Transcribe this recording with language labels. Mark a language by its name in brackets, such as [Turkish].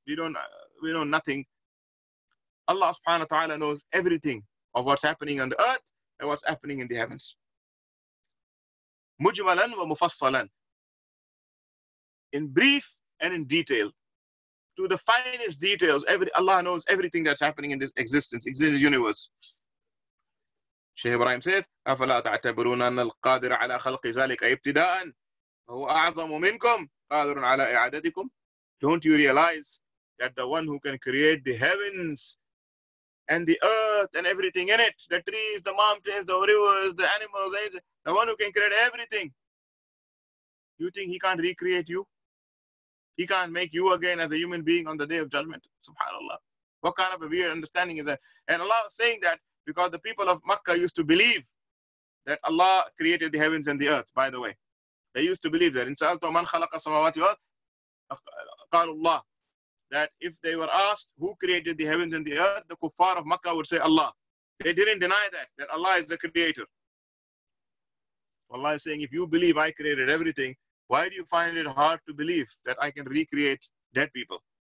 [English] We know nothing. Allah subhanahu wa ta'ala knows everything of what's happening on the earth and what's happening in the heavens. [Arabic] Mujmalan wa mufassalan. [English] In brief and in detail. To the finest details, Allah knows everything that's happening in this existence, in this universe. [Arabic] Shaykh Ibrahim says, أَفَلَا تَعْتَبِرُونَ أَنَّ الْقَادِرَ عَلَىٰ خَلْقِ ذَلِكَ إِبْتِدَاءً وَهُوَ أَعْظَمُ مِنْكُمْ قَادِرٌ عَلَىٰ إِعَادَتِكُمْ. [English] Don't you realize that the one who can create the heavens and the earth and everything in it, the trees, the mountains, the rivers, the animals, the one who can create everything, you think he can't recreate you? He can't make you again as a human being on the day of judgment. Subhanallah. What kind of a weird understanding is that? And Allah is saying that because the people of Makkah used to believe that Allah created the heavens and the earth, by the way. They used to believe that. In [Arabic] سَأَلْتُوا مَنْ خَلَقَ السَّمَوَاتِ وَالْأَرْضَ قَالُوا اللَّهُ. [English] That if they were asked who created the heavens and the earth, the kuffar of Makkah would say Allah. They didn't deny that Allah is the creator. Allah is saying, if you believe I created everything, why do you find it hard to believe that I can recreate dead people?